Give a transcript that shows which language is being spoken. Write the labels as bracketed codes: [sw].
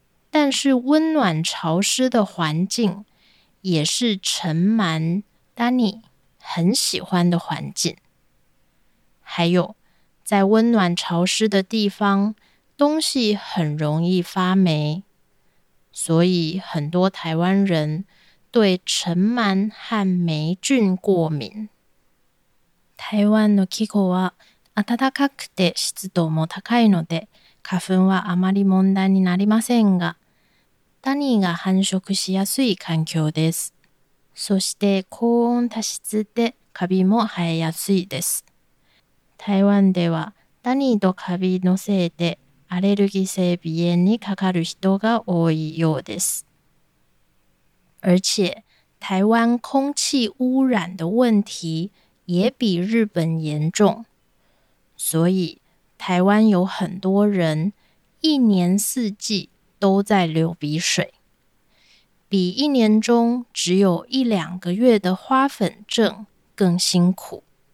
[zh] 但是温暖潮湿的环境也是尘螨、丹尼很喜欢的环境。还有，在温暖潮湿的地方，东西很容易发霉，所以很多台湾人对尘螨和霉菌过敏。 [ja] 台湾の気候は暖かくて湿度も高いので、花粉はあまり問題になりませんが、ダニーが繁殖しやすい環境です。そして高温多湿でカビも生えやすいです。台湾ではダニーとカビのせいでアレルギー性鼻炎にかかる人が多いようです。 [zh] 而且台湾空气污染的问题也比日本严重，所以台湾有很多人一年四季都在流鼻水，比一年中只有一两个月的花粉症更辛苦。